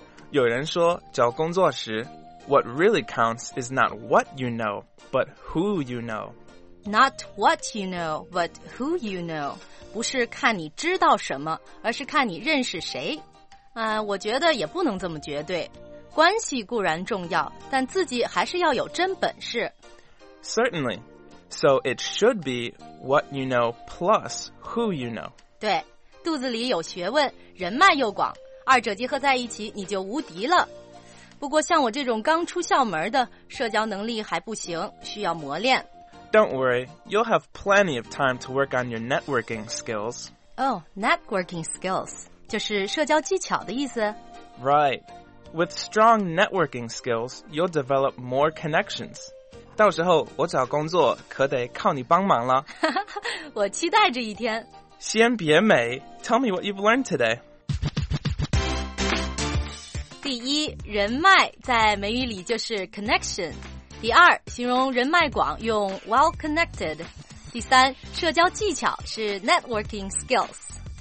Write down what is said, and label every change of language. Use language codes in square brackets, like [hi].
[zh] 有人说找工作时 [en] What really counts is not what you know, but who you know. Not what you know, but who you know. [zh] 不是看你知道什么，而是看你认识谁。我觉得也不能这么绝对。关系固然重要，但自己还是要有真本事。 [en] Certainly. So it should be what you know plus who you know. [zh] 对，肚子里有学问，人脉又广，二者结合在一起，你就无敌了。不过像我这种刚出校门的，社交能力还不行，需要磨练。 [en] Don't worry, you'll have plenty of time to work on your networking skills. [zh] Oh, networking skills, 就是社交技巧的意思。 [en] Right. With strong networking skills, you'll develop more connections. [zh] 到时候我找工作可得靠你帮忙了。我期待这一天。先别美 [en] ,Tell me what you've learned today. [zh] 第一，人脉在美语里就是 connection。第二，形容人脉广用 well connected。第三，社交技巧是 networking skills。